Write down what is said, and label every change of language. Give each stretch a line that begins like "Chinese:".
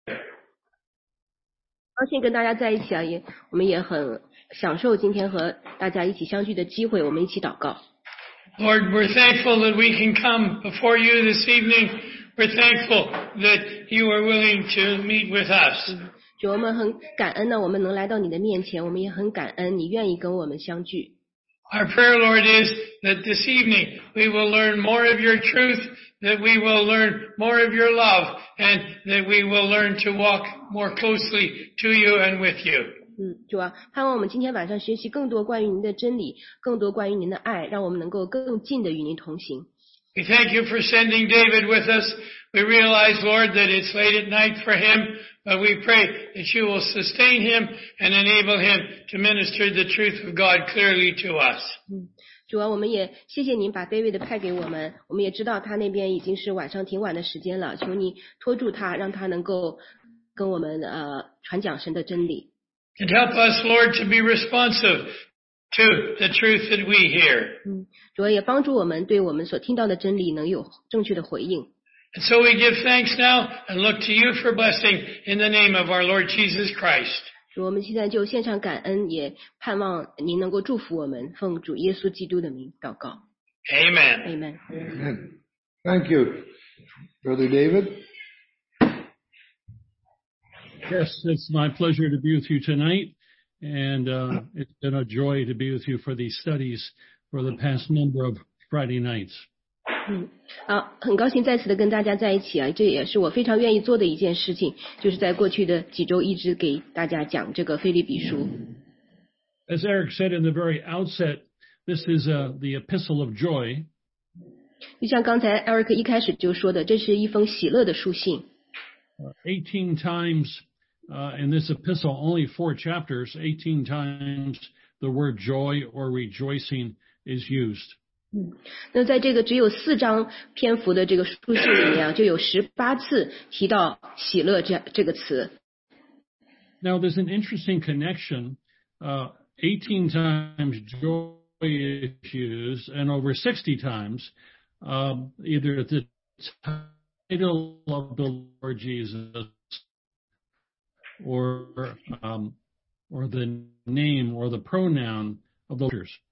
Chinese: 高兴跟大家在一起啊，我们也很享受今天和大家一起相聚的机会，我们一起祷告。
English: Lord, we're thankful that we can come before you this evening. We're thankful that you are willing to meet with us.
Chinese: 主，我们很感恩呢，我们能来到你的面前，我们也很感恩你愿意跟我们相聚。
English: Our prayer, Lord, is that this evening we will learn more of your truth, that we will learn more of your love, and that we will learn to walk more closely to you and with you.
Chinese: 主啊，盼望我们今天晚上学习更多关于您的真理，更多关于您的爱，让我们能够更近的与您同行。
English: We thank you for sending David with us. We realize, Lord, that it's late at night for him, but we pray that you will sustain him and enable him to minister the truth of God clearly to us.
Chinese: 主啊，我们也谢谢您把 David 派给我们，我们也知道他那边已经是晚上挺晚的时间了，求你托住他，让他能够跟我们传讲神的真理。
English: And help us, Lord, to be responsive to the truth that we hear.
Chinese: 主啊，也帮助我们对我们所听到的真理能有正确的回应。
English: And so we give thanks now and look to you for blessing in the name of our Lord Jesus Christ.
Chinese: 主，我们现在就献上感恩，也盼望您能够祝福我们，奉主耶稣基督的名祷告。
English: Amen. Amen. Thank you, Brother David. Yes, it's my pleasure to be with you tonight, and it's been a joy to be with you for these studies for the past number of Friday nights.
Chinese: 好，很高兴再次的跟大家在一起啊，这也是我非常愿意做的一件事情，就是在过去的几周一直给大家讲这个腓立比书。
English: As Eric said in the very outset, this is the epistle of joy.
Chinese: 就像刚才 Eric 一开始就说的，这是一封喜乐的书信。
English: 18 times in this epistle, only four chapters, 18 times the word joy or rejoicing is used.
Chinese: 那在这个只有四章篇幅的这个书信里面，就有18次提到喜乐这个词。
English: Now there's an interesting connection. 18 times joy is used, and over 60 times, either the title of the Lord Jesus, or the name or the pronoun of the leaders.